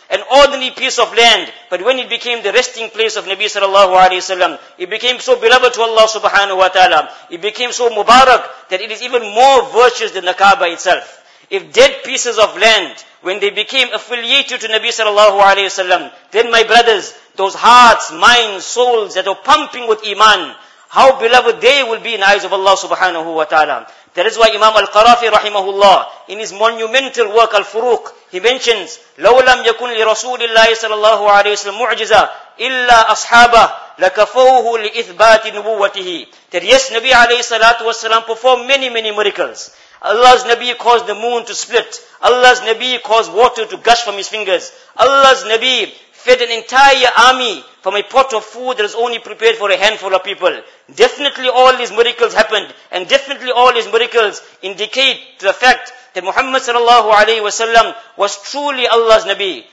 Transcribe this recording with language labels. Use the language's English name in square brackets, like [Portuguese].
[English] An ordinary piece of land, but when it became the resting place of Nabi sallallahu alayhi wa sallam, it became so beloved to Allah subhanahu wa ta'ala, it became so mubarak that it is even more virtuous than the Kaaba itself. If dead pieces of land, when they became affiliated to Nabi sallallahu alayhi wa sallam, then my brothers, those hearts, minds, souls that are pumping with iman, how beloved they will be in the eyes of Allah subhanahu wa ta'ala. That is why Imam Al-Qarafi rahimahullah, in his monumental work Al-Furuq, he mentions, [Arabic] لَوْ لَمْ يَكُنْ لِرَسُولِ اللَّهِ صَلَى اللَّهُ عَلَيْهِ وَسَلَّمْ مُعْجِزَ إِلَّا أَصْحَابَهُ لَكَفَوْهُ لِإِثْبَاتِ نُبُوَّتِهِ. [English] That yes, Nabi alayhi salatu wasalam performed many, many miracles. Allah's Nabi caused the moon to split. Allah's Nabi caused water to gush from his fingers. Allah's Nabi fed an entire army from a pot of food that is only prepared for a handful of people. Definitely all these miracles happened, and definitely all these miracles indicate to the fact that Muhammad sallallahu alayhi wa sallam was truly Allah's Nabi.